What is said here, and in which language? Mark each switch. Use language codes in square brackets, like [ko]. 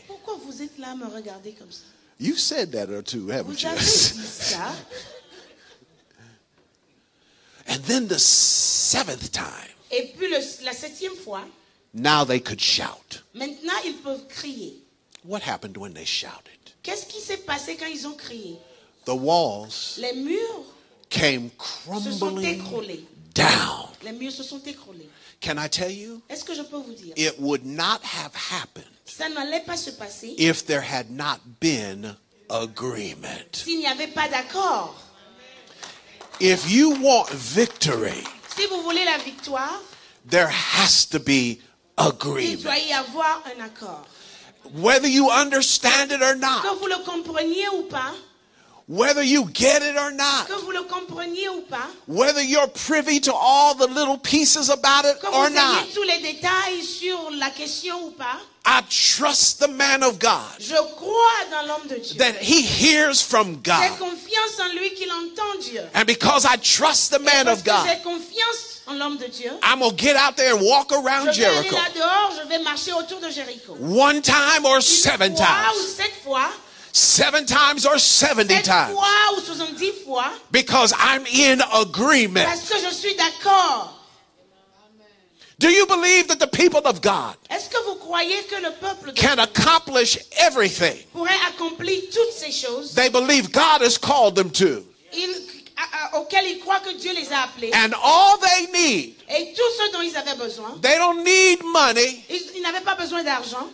[fr] Pourquoi vous êtes là à me regarder comme ça? [en] You said that or two, haven't [fr] vous [en] you? [fr] Vous avez dit ça. [en] And then the seventh time. [fr] Et puis la septième fois. [en] Now they could shout. [fr] Maintenant ils peuvent crier. [en] What happened when they shouted? [fr] Qu'est-ce qui s'est passé quand ils ont crié? [en] The walls. [fr] Les murs. [en] Came crumbling. [fr] Se sont écroulés. [en] Down. [fr] Les murs se sont écroulés. [en] Can I tell you? [fr] Est-ce que je peux vous dire? [en] It would not have happened. [fr] Ça n'allait pas se passer. [en] If there had not been agreement. [fr] S'il n'y avait pas d'accord. [en] If you want victory. [fr] Si vous voulez la victoire. [en] There has to be agreement. [fr] Il doit y avoir un accord. [en] Whether you understand it or not. [fr] Que vous le compreniez ou pas. [en] Whether you get it or not. [fr] Que vous le compreniez ou pas. [en] Whether you're privy to all the little pieces about it or not. [fr] Que vous ayez tous les détails sur la question ou pas. [en] I trust the man of God. [fr] Je crois dans l'homme de Dieu. [en] That he hears from God. [fr] J'ai confiance en lui qu'il entend Dieu. [en] And because I trust the man of God. [fr] J'ai confiance en l'homme de Dieu. [en] I'm going to get out there and walk around Jericho. [fr] Je vais aller là dehors, je vais marcher autour de Jéricho. [en] One time or seven times. [fr] Une fois ou sept fois. [en] Seven times or 70 times. [fr] Fois ou 70 fois. [en] Because I'm in agreement. [fr] Parce que je suis d'accord. [en] Do you believe that the people of God [fr] est-ce que vous croyez que le peuple de [en] can accomplish everything [fr] pourrait accomplir toutes ces choses [en] they believe God has called them to. [fr] Auquel ils croient que Dieu les a appelés. [en] And all they need. [fr] Et tout ce dont ils avaient besoin. [en] They don't need money. [fr] Ils n'avaient pas besoin d'argent.